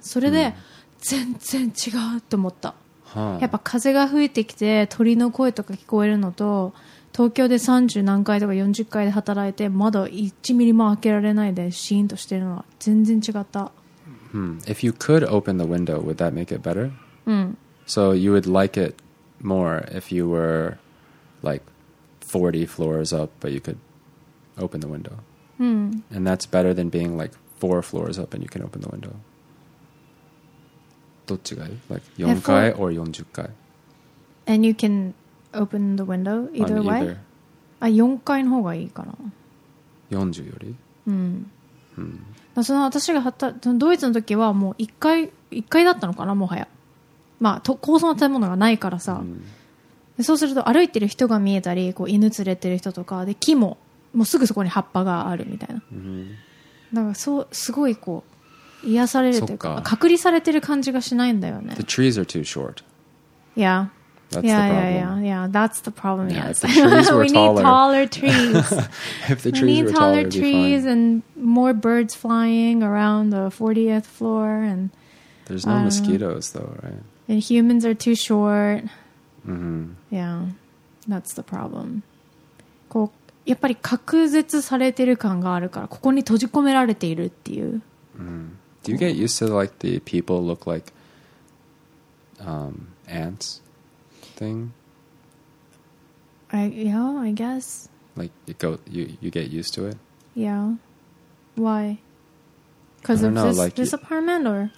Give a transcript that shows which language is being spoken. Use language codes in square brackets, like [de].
[ja] それで全然違うって思った。やっぱ風が吹いてきて鳥の声とか聞こえるのと、東京で30何階とか40階で働いて窓1ミリも開けられないでシーンとしてるのは全然違った。 [en] If you could open the window, would that make it better? So you would like it more if you were like 40 floors up, but you could open the window. And that's better than being like 4 floors up and you can open the window. [ja] どっちがいい? [en] Like [ja] 4階 [en] or [ja] 40階? [en] And you can open the window either way? [ja] あ、4階の方がいいかな。 40より? その私が働いたドイツの時はもう1階だったのかな、もはや。まあ、高層の建物がないからさ。で、そうすると歩いてる人が見えたり、こう犬連れてる人とか、で、木も、もうすぐそこに葉っぱがあるみたいな。だから、そう、すごいこう、癒されるというか、隔離されてる感じがしないんだよね。 [en] The trees are too short. Yeah. That's That's the problem, yeah, yes. If the trees were taller. We need taller trees. If the trees were taller, it'd be fine. And more birds flying around the 40th floor. And, there's no mosquitoes though, right? And humans are too short. Mm-hmm. Yeah. That's the problem. [ja] こう、やっぱり隔絶されてる感があるから、ここに閉じ込められているっていう。 [en] Do you get used to like the people look like ants thing? Yeah, I guess. Like you get used to it? Yeah. Why? Because of this apartment or